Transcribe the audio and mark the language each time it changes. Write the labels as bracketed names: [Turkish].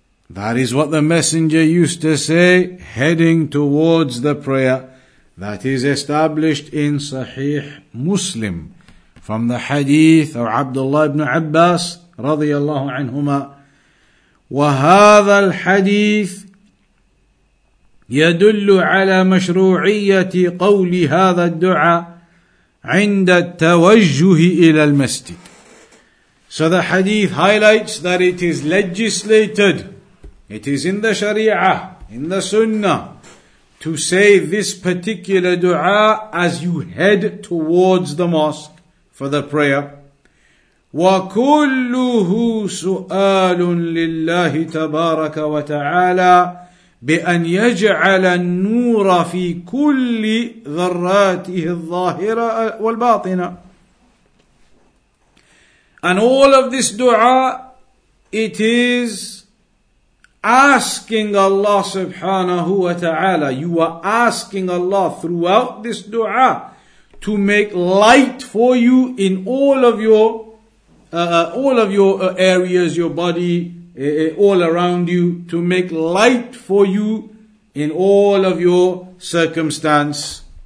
[English] That is what the messenger used to say, heading towards the prayer, that is established in Sahih Muslim, from the hadith of Abdullah ibn Abbas, radiyallahu anhuma. [Arabic] وَهَذَا الْحَدِيثِ يدل على مشروعية قول هذا الدعاء عند التوجه إلى المسجد. [English] So the hadith highlights that it is legislated, it is in the Sharia, in the Sunnah, to say this particular dua as you head towards the mosque for the prayer. [Arabic] وكله سؤال لله تبارك وتعالى بأن يجعل النور في كل ذراته الظاهرة والباطنة. [English] And all of this dua, it is asking Allah subhanahu wa ta'ala, you are asking Allah throughout this dua to make light for you in all of your areas, your body, all around you, to make light for you in all of your circumstance.